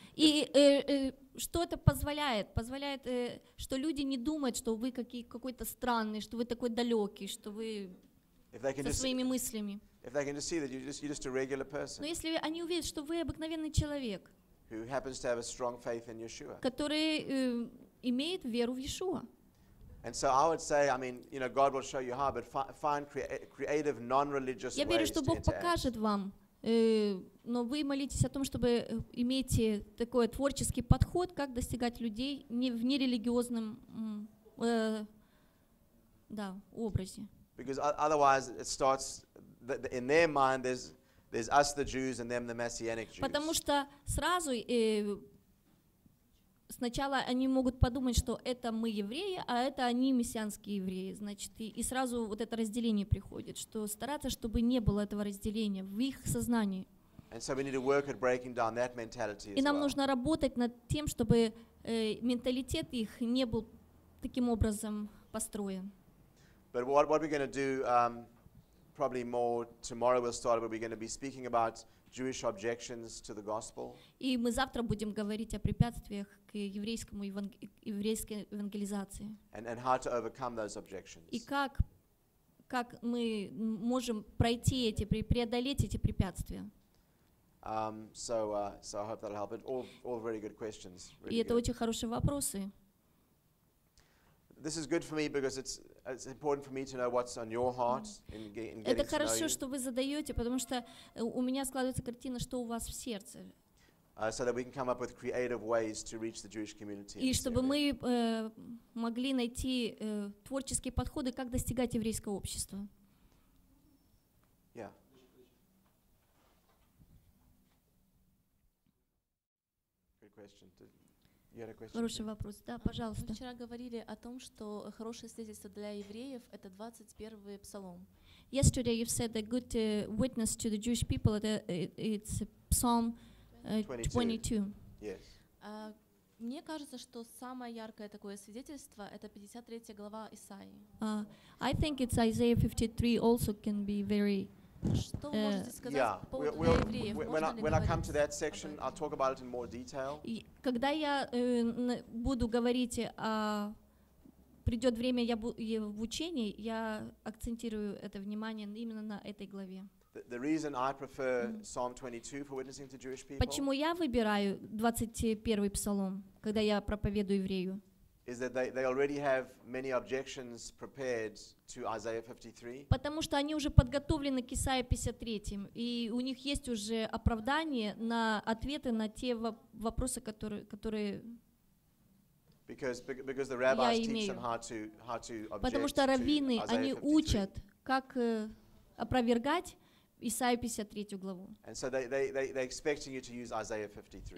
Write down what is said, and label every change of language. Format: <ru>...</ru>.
<ru>И что это позволяет? Позволяет, что люди не думают, что вы какой-то странный, что вы такой далёкий, что вы со своими мыслями.</ru> <en>If they can just see that you're just a regular person.</en> <ru>Но если они увидят, что вы обыкновенный человек,</ru> <en>who happens to have a strong faith in Yeshua,</en> <ru>который имеет веру в Иешуа.</ru> <en>And so I would say, I mean, you know, God will show you how, but find creative non-religious ways to interact.</en> <ru>Я верю, что Бог покажет вам Но вы молитесь о том, чтобы иметь такой творческий подход, как достигать людей не в нерелигиозном да, образе.</ru> <en>Because otherwise it starts in their mind there's us the Jews and them the Messianic Jews.</en> <ru>Потому что сразу сначала они могут подумать, что это мы евреи, а это они мессианские евреи, значит, и сразу вот это разделение приходит, что стараться, чтобы не было этого разделения в их сознании.</ru> <en>And so we need to work at breaking down that mentality as well.</en> <ru>И нам нужно работать над тем, чтобы менталитет их не был таким образом построен.</ru> <en>But what we're going to do probably more tomorrow we'll start, but we're going to be speaking about Jewish objections to the gospel.</en> <ru>И мы завтра будем говорить о препятствиях к еврейскому еврейской евангелизации.</ru> <en>And how to overcome those objections.</en> <ru>И как мы можем пройти эти преодолеть эти препятствия.</ru> <en>So I hope that'll help. All very good questions. Really</en> <ru>и это</ru> <en>good.</en> <ru>Очень хорошие вопросы.</ru> <en>This is good for me because it's important for me to know what's on your heart in getting to know you.</en> <ru>Это хорошо, что вы задаете, потому что у меня складывается картина, что у вас в сердце.</ru> <en>So that we can come up with creative ways to reach the Jewish community.</en> <ru>И чтобы мы могли найти творческие подходы, как достигать еврейского общества.</ru> <en>Yeah. Good question.</en> <ru>Хороший вопрос. Да, пожалуйста. Мы вчера говорили о том, что хорошее свидетельство для евреев — это 21-й псалом.</ru> <en>Yesterday you said a good witness to the Jewish people it's Psalm 22. Yes.</en> <ru>Мне кажется, что самое яркое такое свидетельство — это 53-я глава Исаии.</ru> <en>I think it's Isaiah 53 also can be very... When I come to that section, I'll talk about it in more detail.</en> <ru>Когда я буду говорить, придет время, я в учении, я акцентирую это внимание именно на этой главе.</ru> <en>The reason I prefer Psalm 22 for witnessing to Jewish people.</en> <ru>Почему я выбираю 21-й псалом, когда я проповедую еврею?</ru> <en>Is that they already have many objections prepared to Isaiah 53?</en> <ru>Потому что они уже подготовлены к Исаии 53, и у них есть уже оправдание на ответы на те вопросы, которые</ru> <en>Because the rabbis teach them how to object.</en> <ru>Потому что раввины они учат, как опровергать Исаию 53 главу.</ru> <en>And so they expecting you to use Isaiah 53.</en>